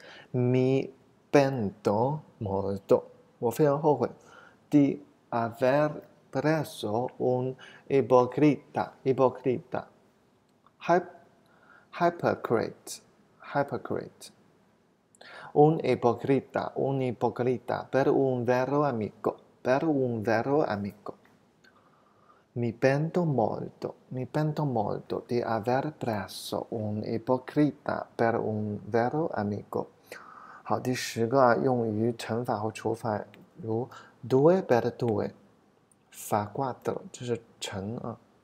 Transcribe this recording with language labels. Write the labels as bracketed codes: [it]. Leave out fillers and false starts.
[it] Mi pento molto, [zh] 我非常后悔， [it] di aver preso un ipocrita, hypocrite, un ipocrita per un vero amico. Mi pento molto di aver preso un ipocrita per un vero amico. [zh] 好，第十个啊，用于乘法和除法，如 [it] due per due。 fa quattro， [zh] 这是乘啊。